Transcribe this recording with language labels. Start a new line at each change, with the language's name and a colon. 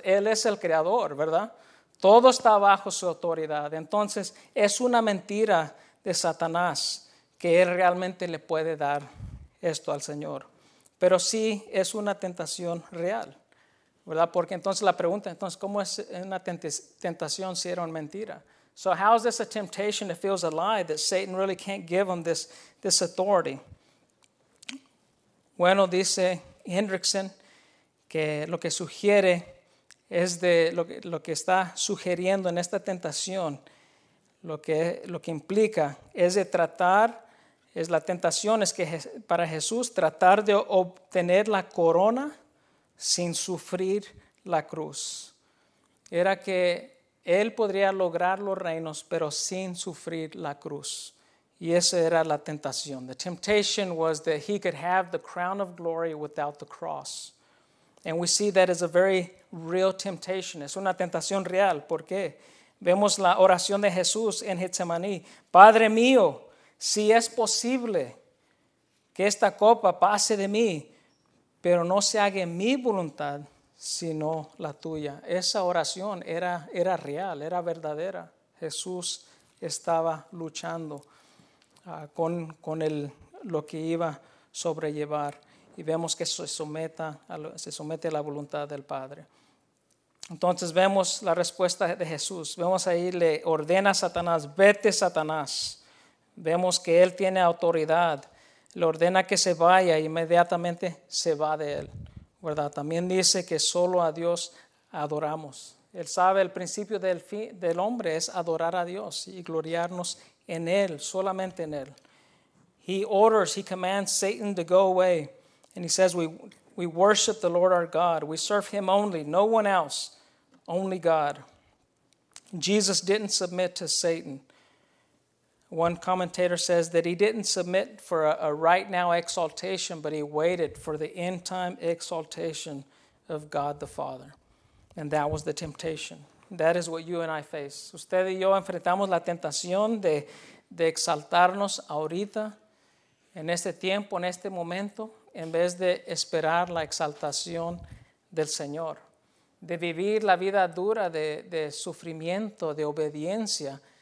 Spanish: Él es el creador, ¿verdad? Todo está bajo su autoridad. Entonces, es una mentira de Satanás que él realmente le puede dar esto al Señor. Pero sí es una tentación real, ¿verdad? Porque entonces la pregunta, entonces, ¿cómo es una tentación si era una mentira?
English: So how is this a temptation that feels a lie that Satan really can't give him this authority?
Spanish: Bueno, dice Hendrickson que lo que sugiere es de lo que está sugiriendo en esta tentación, lo que implica es de tratar, es la tentación es que para Jesús tratar de obtener la corona sin sufrir la cruz. Era que él podría lograr los reinos, pero sin sufrir la cruz. Y esa era la tentación.
English: The temptation was that he could have the crown of glory without the cross. And we see that as a very real temptation.
Spanish: Es una tentación real. ¿Por qué? Vemos la oración de Jesús en Getsemaní. Padre mío, si es posible que esta copa pase de mí, pero no se haga mi voluntad, sino la tuya. Esa oración era real, era verdadera. Jesús estaba luchando con lo que iba a sobrellevar. Y vemos que se somete a la voluntad del Padre. Entonces vemos la respuesta de Jesús. Vemos ahí, le ordena a Satanás, vete Satanás. Vemos que él tiene autoridad. Le ordena que se vaya, inmediatamente se va de él, ¿verdad? También dice que solo a Dios adoramos. Él sabe el principio del hombre es adorar a Dios y gloriarnos en él, solamente en él.
English: He commands Satan to go away. And he says, we worship the Lord our God. We serve him only, no one else, only God. Jesus didn't submit to Satan. One commentator says that he didn't submit for a right now exaltation, but he waited for the end time exaltation of God the Father. And that was the temptation. That is what you and I face.
Spanish: Usted y yo enfrentamos la tentación de exaltarnos ahorita, en este tiempo, en este momento, en vez de esperar la exaltación del Señor, de vivir la vida dura de sufrimiento, de obediencia.